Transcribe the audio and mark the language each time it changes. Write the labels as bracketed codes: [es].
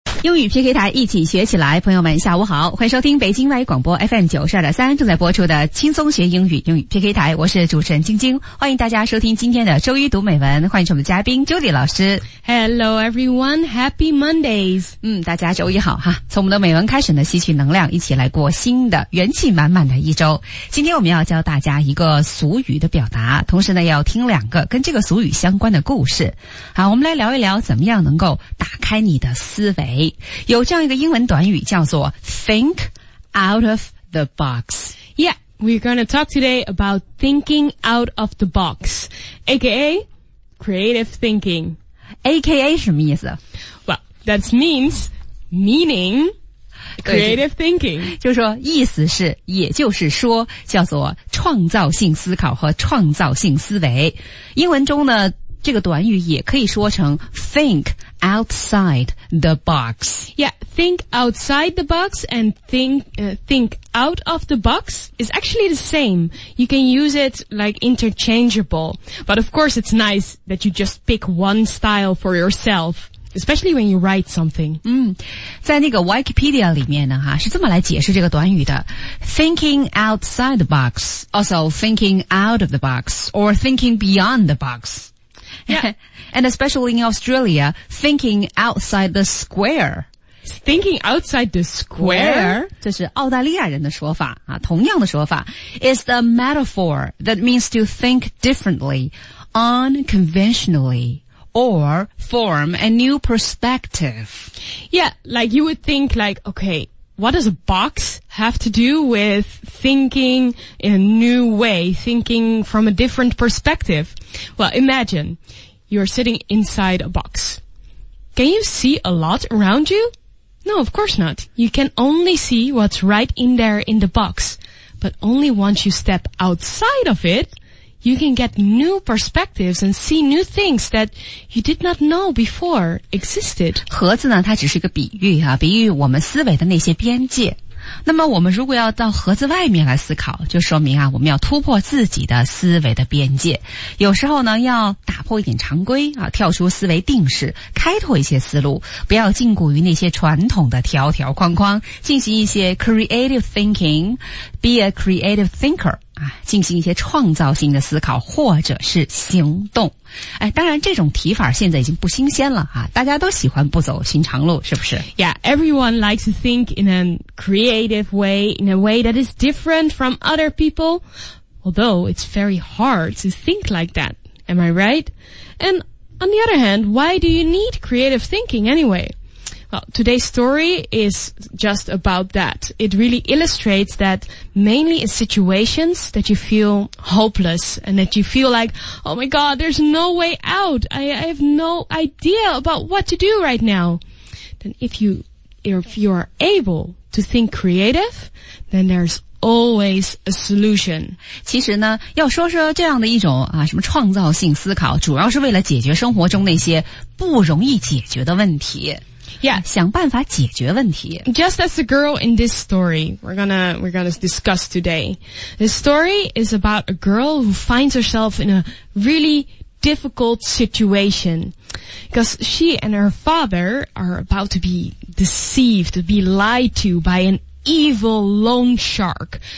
[zh] 英语 PK 台一起学起来，朋友们下午好，欢迎收听北京外语广播 FM92.3 正在播出的轻松学英语英语 PK 台，我是主持人晶晶，欢迎大家收听今天的周一读美文，欢迎我们嘉宾 Judy 老师。 [en] Hello everyone, Happy Mondays. [zh] 大家周一好哈，从我们的美文开始呢，吸取能量，一起来过新的元气满满的一周。今天我们要教大家一个俗语的表达，同时呢要听两个跟这个俗语相关的故事。好，我们来聊一聊怎么样能够打开你的思维。有这样一个英文短语叫做 [en] think out of the box. Yeah, we're going to talk today about thinking out of the box, aka creative thinking. [zh] Aka 什么意思？ [en] Well, that means meaning creative thinking. [zh] 就是说意思是，也就是说叫做创造性思考和创造性思维。英文中呢，这个短语也可以说成 [en] think outside the box. Yeah, think outside the box and think out of the box is actually the same. You can use it like interchangeable. But of course it's nice that you just pick one style for yourself. Especially when you write something. [zh] 在那个 Wikipedia 里面呢哈，是这么来解释这个短语的。 [en] Thinking outside the box, also thinking out of the box, or thinking beyond the box. Yeah. And especially in Australia, thinking outside the square. Thinking outside the square? [zh] 这是澳大利亚人的说法啊，同样的说法。 [en] It's a metaphor that means to think differently, unconventionally. Or form a new perspective. Yeah, like you would think like, okay, what does a box have to do with thinking in a new way, thinking from a different perspective? Well, imagine you're sitting inside a box. Can you see a lot around you? No, of course not. You can only see what's right in there in the box. But only once you step outside of it,You can get new perspectives and see new things that you did not know before existed. [zh] 盒子呢，它只是一个比喻啊，比喻我们思维的那些边界。那么我们如果要到盒子外面来思考，就说明啊，我们要突破自己的思维的边界。有时候呢，要打破一点常规啊，跳出思维定式，开拓一些思路，不要禁锢于那些传统的条条框框，进行一些 [en] creative thinking, be a creative thinker. [zh] 进行一些创造性的思考或者是行动。当然这种提法现在已经不新鲜了啊，大家都喜欢不走寻常路，是不是？ [en] Yeah, everyone likes to think in a creative way, in a way that is different from other people. Although it's very hard to think like that. Am I right? And on the other hand, why do you need creative thinking anyway? Well, today's story is just about that. It really illustrates that mainly in situations that you feel hopeless and that you feel like, oh my God, there's no way out. I have no idea about what to do right now. Then if you are able to think creative, then there'sAlways a solution. [zh] 其实呢，要说说这样的一种啊，什么创造性思考，主要是为了解决生活中那些不容易解决的问题。 [en] Yeah, [zh] 想办法解决问题。 [en] Just as the girl in this story we're gonna discuss today. The story is about a girl who finds herself in a really difficult situation. Because she and her father are about to be deceived, to be lied to by anevil loan shark.